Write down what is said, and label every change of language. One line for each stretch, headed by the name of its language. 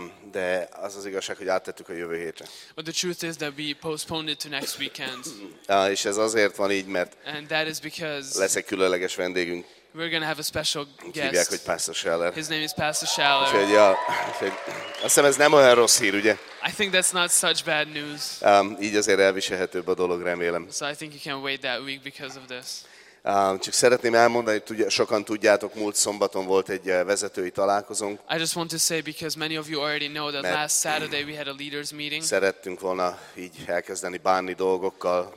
Hungarian: De az az igazság, hogy áttettük a jövő hétre.
English: But the truth is that we postponed it to next weekend.
Hungarian: És ez azért van így, mert
English: and that is because
Hungarian: lesz egy különleges vendégünk.
English: We're going to have a special guest.
Hungarian: Hívják, hogy Pastor Scheller.
English: His name is Pastor Scheller.
Hungarian: Úgyhogy, ja, azt hiszem, ez nem olyan rossz hír, ugye?
English: I think that's not such bad news.
Hungarian: Így azért elviselhetőbb a dolog, remélem.
English: So I think you can wait that week because of this.
Hungarian: Csak szeretném elmondani, hogy sokan tudjátok, múlt szombaton volt egy vezetői találkozónk.
English: I just want to say because many of you already know that last Saturday we had a leaders meeting.
Hungarian: Szerettünk volna így elkezdeni bánni dolgokkal